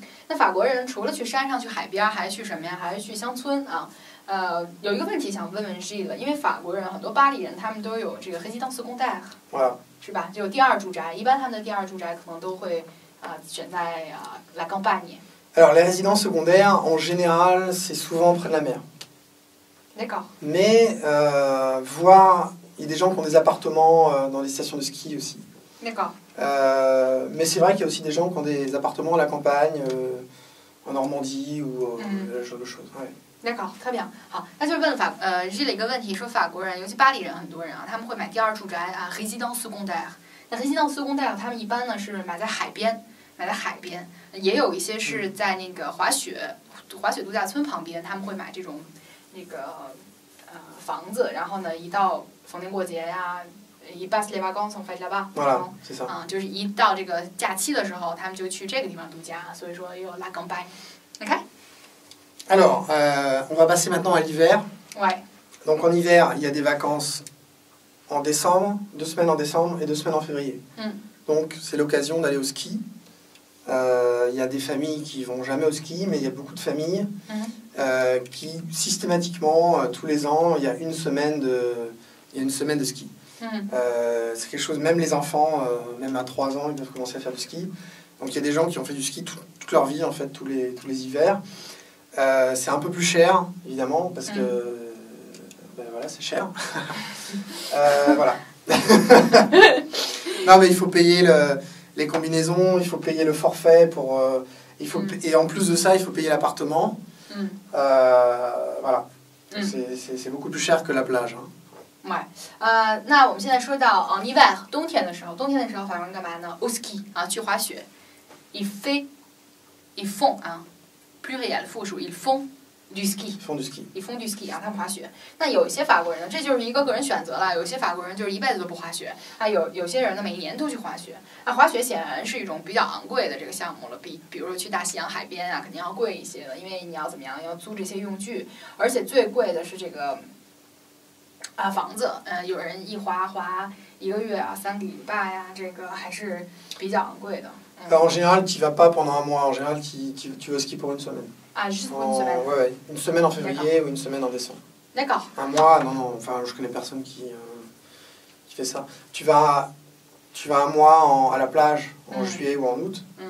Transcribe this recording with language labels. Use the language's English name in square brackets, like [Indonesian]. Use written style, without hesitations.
[Chinese] 那法国人除了去山上、去海边，还去什么呀？还去乡村啊？有一个问题想问问 G 了，因为法国人很多巴黎人，他们都有这个résidence secondaire， 是吧？就有第二住宅，一般他们的第二住宅可能都会选在la campagne。 [French] Alors les résidences secondaires, en général, c'est souvent près de la mer. D'accord. Mais voir, il y a des gens qui ont des appartements dans des stations de ski aussi. D'accord. Mais c'est vrai qu'il y a aussi des gens qui ont des appartements à la campagne, en Normandie ou ce genre de choses. D'accord, très bien. [Chinese] 好，那就是问法，这里一个问题，说法国人，尤其巴黎人，很多人啊，他们会买第二住宅啊，résidence secondaire。那résidence secondaire，他们一般呢是买在海边，也有一些是在那个滑雪度假村旁边，他们会买这种。那个房子，然后呢，一到逢年过节呀，一 [French] passe les vacances on fait là-bas， [Chinese] 就是一到这个假期的时候，他们就去这个地方度假，所以说又 la campagne，OK？ [French] Alors, on va passer maintenant à l'hiver. Ouais. Donc en hiver, il y a des vacances en décembre, deux semaines en décembre et deux semaines en février. Donc c'est l'occasion d'aller au ski. Il y a des familles qui vont jamais au ski, mais il y a beaucoup de familles. Qui systématiquement, tous les ans, il y a une semaine de ski. Mmh. C'est quelque chose, même les enfants, même à 3 ans, ils peuvent commencer à faire du ski. Donc il y a des gens qui ont fait du ski toute leur vie, en fait, tous les hivers. C'est un peu plus cher, évidemment, parce que... Ben voilà, c'est cher. voilà. non, mais il faut payer les combinaisons, il faut payer le forfait pour... et en plus de ça, il faut payer l'appartement. Voilà. C'est beaucoup plus cher que la plage. Hein. Ouais. [Chinese] 那我们现在说到 en hiver, 冬天的时候，冬天的时候法国人干嘛呢 ？Au ski, 啊，去滑雪。 [French] Ils font, 啊 ，pluriel [Chinese] 复数 [French] ，ils font du ski. Ils font du ski, [Chinese] 啊，他们滑雪。那有一些法国人呢，这就是一个人选择了。有些法国人就是一辈子都不滑雪，啊，有些人呢，每年都去滑雪。那滑雪显然是一种比较昂贵的这个项目了，比如说去大西洋海边啊，肯定要贵一些的，因为你要怎么样，要租这些用具，而且最贵的是这个房子，有人一滑一个月啊，三个礼拜呀、啊，这个还是比较昂贵的。 [French] En général, tu vas pas pendant un mois. En général, tu veux skier pour une semaine. Ah, juste pour une semaine. Ouais, une semaine en février ou une semaine en décembre. D'accord. Un mois, non, enfin, je connais personne qui fait ça. Tu vas un mois à la plage, en juillet ou en août.